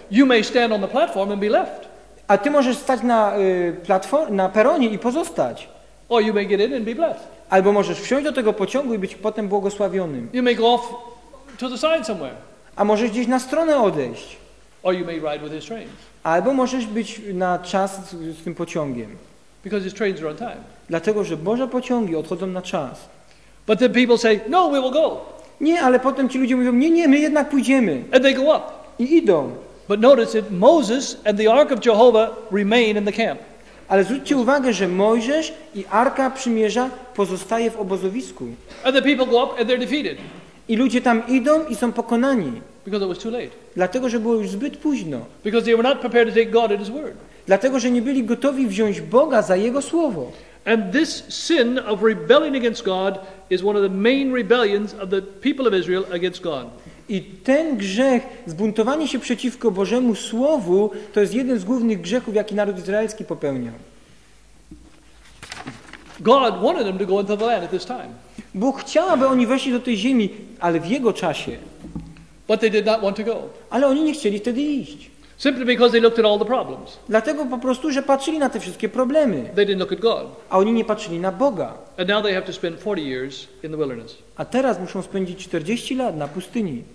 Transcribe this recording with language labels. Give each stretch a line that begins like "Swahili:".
English: You may stand on the platform and be left.
Polish: A ty możesz stać na peronie i pozostać.
English: Or you may get in and be blessed.
Polish: Albo możesz wsiąść do tego pociągu i być potem błogosławionym.
English: You may go off to the side somewhere.
Polish: A możesz gdzieś na stronę odejść.
English: Or you may ride with his train.
Polish: Albo możesz być na czas z tym pociągiem.
English: Because his trains are on time.
Polish: Dlatego, że Boże pociągi odchodzą na czas.
English: But the people say, "No, we will go."
Polish: Nie, ale potem ci ludzie mówią: nie, my jednak pójdziemy.
English: And they go up.
Polish: I idą.
English: But notice that Moses and the Ark of Jehovah remain in the camp.
Polish: Ale zwróćcie uwagę, że Mojżesz i Arka Przymierza pozostaje w obozowisku.
English: And the people go up and they're defeated.
Polish: I ludzie tam idą i są pokonani.
English: Because it was too late.
Polish: Dlatego, że było już zbyt późno.
English: Because they were not prepared to take God at his word.
Polish: Dlatego, że nie byli gotowi wziąć Boga za jego słowo.
English: And this sin of rebelling against God is one of the main rebellions of the people of Israel against God.
Polish: I ten grzech, zbuntowanie się przeciwko Bożemu Słowu, to jest jeden z głównych grzechów, jaki naród izraelski popełnia.
English: God wanted them to go into the land at this time.
Polish: Bóg chciał, aby oni weszli do tej ziemi, ale w jego czasie.
English: But they did not want to go.
Polish: Ale oni nie chcieli wtedy iść.
English: Simply because they looked at all the problems.
Polish: Dlatego po prostu, że patrzyli na te wszystkie problemy.
English: They didn't look at God.
Polish: A oni nie patrzyli na Boga.
English: And now they have to spend 40 years in the wilderness.
Polish: A teraz muszą spędzić 40 lat na pustyni.